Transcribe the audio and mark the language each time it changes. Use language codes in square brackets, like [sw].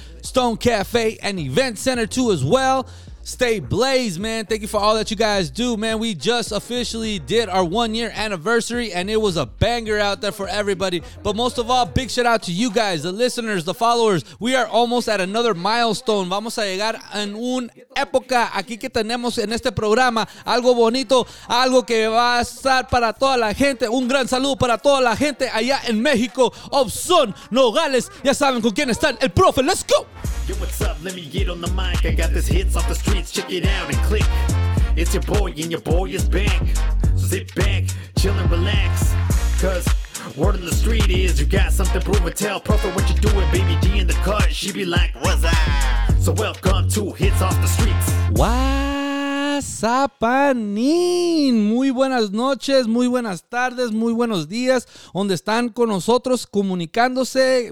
[en] Stone Cafe and Event Center, too, as well. Stay Blaze, man. Thank you for all that you guys do, man. We just officially did our 1-year anniversary, and it was a banger out there for everybody. But most of all, big shout out to you guys, the listeners, the followers. We are almost at another milestone. [es] Vamos a llegar en un época aquí que tenemos en este programa. Algo bonito, algo que va a estar para toda la gente. Un gran saludo para toda la gente allá en México. Obsun, Nogales, ya saben con quién están. El profe, [en] let's go. Yo, what's up? Let me get on the mic. I got this Hits Off the Streets. Check it out and click. It's your boy and your boy is back. So sit back, chill and relax. Cause word on the street is you got something to prove and tell. Perfect what you're doing, baby D in the car. She be like, what's up? So welcome to Hits Off the Streets. Wow. [es] Zapanín, muy buenas noches, muy buenas tardes, muy buenos días, donde están con nosotros comunicándose.